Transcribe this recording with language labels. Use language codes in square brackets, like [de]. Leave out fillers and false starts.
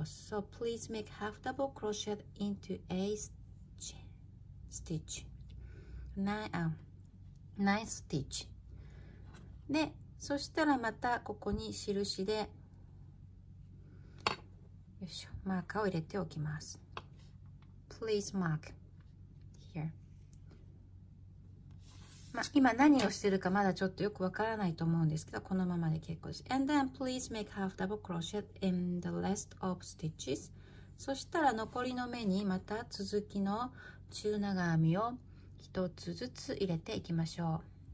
[en] So please make half double crochet into a stitch 9 stitch で、そしたらまたここに印で、よいしょ、マーカーを入れておきます。 Please mark here. [ja] まあ、今何をしてるかまだちょっとよくわからないと思うんですけど、このままで結構です。 [en] And then please make half double crochet in the rest of stitches. [ja] そしたら残りの目にまた続きの中長編みを一つずつ入れていきましょう。